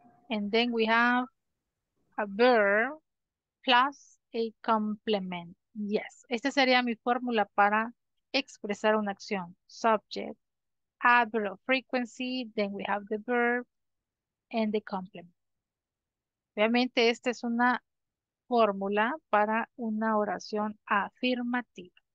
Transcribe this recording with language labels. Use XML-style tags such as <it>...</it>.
<en>And then we have a verb plus a complement. Yes.</en> <es>Esta sería mi fórmula para expresar una acción.</es> <en>Subject. Adverb of frequency, then we have the verb and the complement.</en> <es>Obviamente, esta es una fórmula para una oración afirmativa.</es>